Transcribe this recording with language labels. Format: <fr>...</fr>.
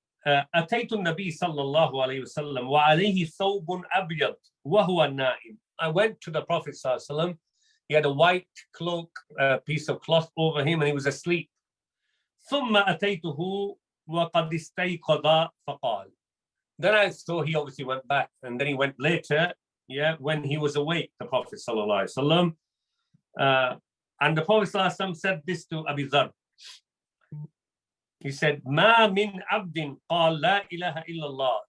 <ar>أتيت النبي صلى الله عليه وسلم وعليه ثوب أبيض وهو نائم.</ar> <en>I went to the Prophet صلى الله عليه وسلم. He had a white cloak, a piece of cloth over him, and he was asleep.</en> <ar>ثم أتيته وقد استيقظ فقال.</ar> <en>Then I saw he obviously went back, and then he went later. Yeah, when he was awake, the Prophet صلى الله عليه وسلم. And the Prophet صلى الله عليه وسلم said this to Abu Dharr. He said,</en> <ar>"Ma min abdin qal la ilaha illallah."</ar>